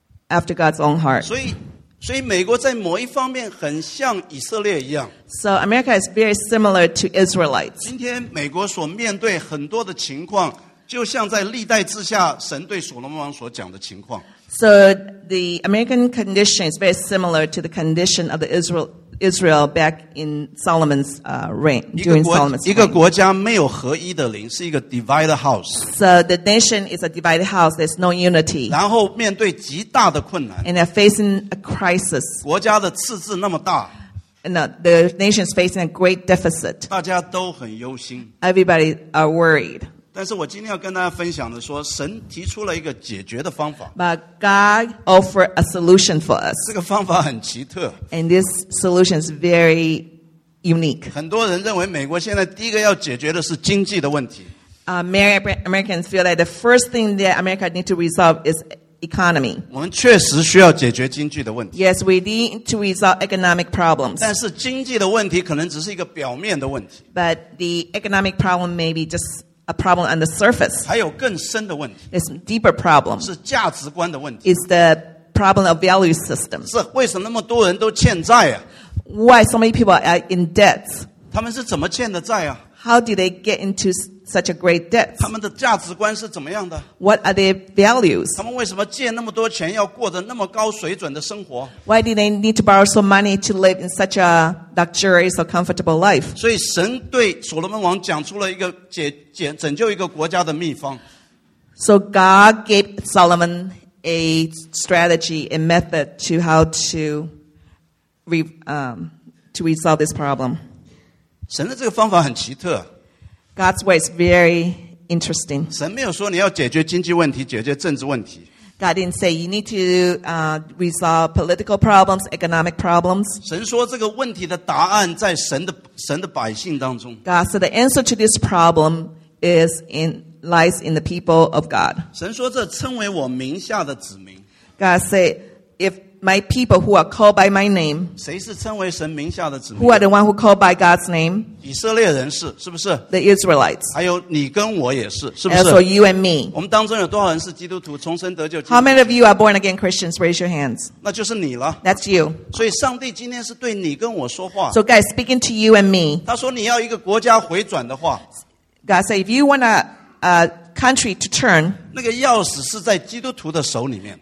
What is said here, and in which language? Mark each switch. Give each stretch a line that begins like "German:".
English: after God's own heart.
Chinese: 所以美国在某一方面很像以色列一样。
English: So America is very similar to Israelites.
Chinese: 今天美国所面对很多的情况，就像在历代志下神对所罗门王所讲的情况。
English: So the American condition is very similar to the condition of the Israel back in Solomon's reign, during Solomon's reign.
Chinese: 一个国家没有合一的灵，是一个
English: divided house. So the nation is a divided house. There's no unity.
Chinese: 然后面对极大的困难。
English: And they're facing a crisis.
Chinese: 国家的赤字那么大。
English: And the nation is facing a great deficit.
Chinese: 大家都很忧心。
English: Everybody are worried.
Chinese: 但是我今天要跟大家分享的说，神提出了一个解决的方法。
English: But God offered a solution for us.
Chinese: 这个方法很奇特。
English: And this solution is very unique.
Chinese: 很多人认为美国现在第一个要解决的是经济的问题。
English: Many Americans feel like the first thing that America needs to resolve is economy.
Chinese: 我们确实需要解决经济的问题。
English: Yes, we need to resolve economic problems.
Chinese: 但是经济的问题可能只是一个表面的问题。
English: But the economic problem may be just a problem on the surface.
Chinese: 还有更深的问题。
English: It's a deeper problem.
Chinese: 是价值观的问题。
English: It's the problem of value system.
Chinese: 是为什么那么多人都欠债啊？
English: Why so many people are in debt?
Chinese: 他们是怎么欠的债啊？
English: How do they get into such a great debt?
Chinese: 他们的价值观是怎么样的？
English: What are their values?
Chinese: 他们为什么借那么多钱要过着那么高水准的生活？
English: Why do they need to borrow some money to live in such a luxurious or comfortable life?
Chinese: 所以神对所罗门王讲出了一个拯救一个国家的秘方。
English: So God gave Solomon a strategy, a method to how to resolve this problem.
Chinese: 神的这个方法很奇特。
English: God's way is very interesting.
Chinese: 神没有说你要解决经济问题，解决政治问题。
English: God didn't say you need to resolve political problems, economic problems.
Chinese: 神说这个问题的答案在神的百姓当中。
English: God said the answer to this problem is in lies in the people of God.
Chinese: 神说这称为我名下的子民。
English: God said, if my people who are called by my name,
Chinese: 谁是称为神名下的子民？
English: Who are the one who called by God's name?
Chinese: 以色列人是不是？
English: The Israelites.
Chinese: 还有你跟我也是，是不是？
English: As for you and me.
Chinese: 我们当中有多少人是基督徒，重生得救？
English: How many of you are born again Christians? Raise your hands.
Chinese: 那就是你了。
English: That's you.
Chinese: 所以上帝今天是对你跟我说话。
English: So God is speaking to you and me.
Chinese: 他说你要一个国家回转的话。
English: God said, if you want a country to turn,
Chinese: 那个钥匙是在基督徒的手里面。